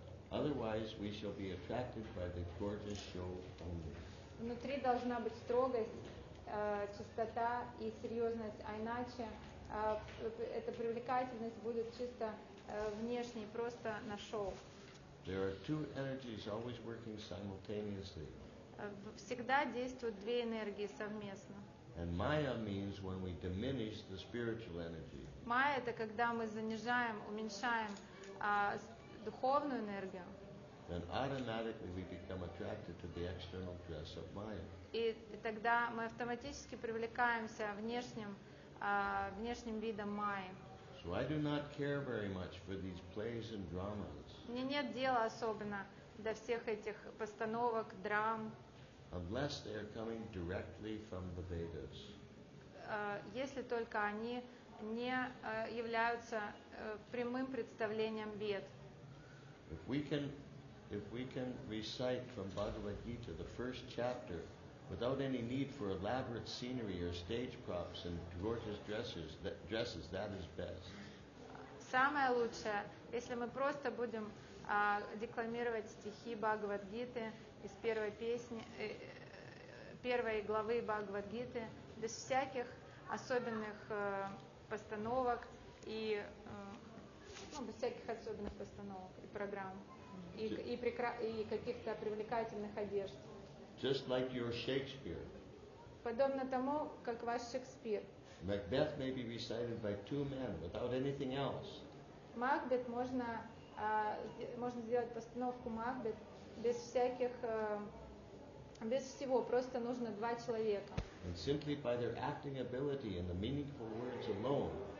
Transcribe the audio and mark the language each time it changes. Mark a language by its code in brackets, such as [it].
[en] Otherwise, we shall be attracted by the gorgeous show only. [ru] Внутри должна быть строгость, чистота и серьезность, а иначе эта привлекательность будет чисто внешней, просто на шоу. [en] There are two energies always working simultaneously. [ru] Всегда действуют две энергии совместно. [en] And Maya means when we diminish the spiritual energy. [ru] Майя — это когда мы занижаем, уменьшаем духовную энергию. [en] Then automatically we become attracted to the external dress of Maya. [ru] И тогда мы автоматически привлекаемся внешним видом Майи. [en] So I do not care very much for these plays and dramas. [ru] Мне нет дела особенно до всех этих постановок, драм. [en] Unless they are coming directly from the Vedas. [ru] Если только они не являются прямым представлением Вед. [en] If we can recite from Bhagavad Gita the first chapter without any need for elaborate scenery or stage props and gorgeous dresses, that is best. [ru] Самое лучшее, если мы просто будем декламировать стихи Бхагавад-гиты из первой песни, первой главы Бхагавад-гиты без всяких особенных постановок и без всяких особенных постановок и программ и каких-то привлекательных одежд. [en] Just like your Shakespeare. [ru] Подобно тому, как ваш Шекспир. [en] Macbeth may be recited by two men without anything else. [ru] Макбет можно можно сделать постановку Макбет без всяких без всего, просто нужно два человека. [en] And simply by their acting ability and the meaningful words alone.